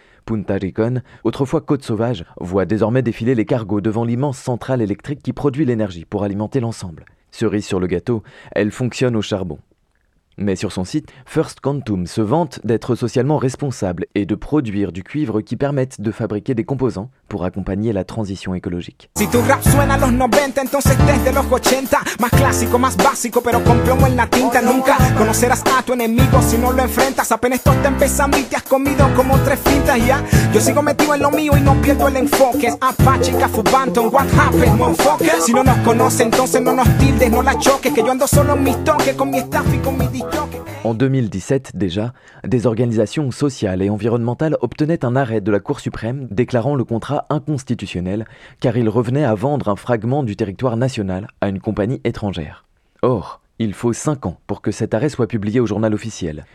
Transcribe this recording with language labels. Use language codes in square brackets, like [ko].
[fr] Punta Rincón, autrefois côte sauvage, voit désormais défiler les cargos devant l'immense centrale électrique qui produit l'énergie pour alimenter l'ensemble. Cerise sur le gâteau, elle fonctionne au charbon. Mais sur son site, First Quantum se vante d'être socialement responsable et de produire du cuivre qui permette de fabriquer des composants pour accompagner la transition écologique. [es] Si tu rap suena los 90, entonces desde los 80, más clásico, más básico, pero con plomo en la tinta. Nunca conocerás a tu enemigo si no lo enfrentas. Apenas esto te empezando y te has comido como tres fintas, ya. Yo sigo metido en lo mío y no pierdo el enfoque. Apache, Cafu, Banton, [en] what happened, motherfucker? [es] Si no nos conoce, entonces no nos tildes, no la choques, que yo ando solo en mis toques, con mi staff y con mi. [fr] En 2017 déjà, des organisations sociales et environnementales obtenaient un arrêt de la Cour suprême déclarant le contrat inconstitutionnel car il revenait à vendre un fragment du territoire national à une compagnie étrangère. Or, il faut 5 ans pour que cet arrêt soit publié au journal officiel.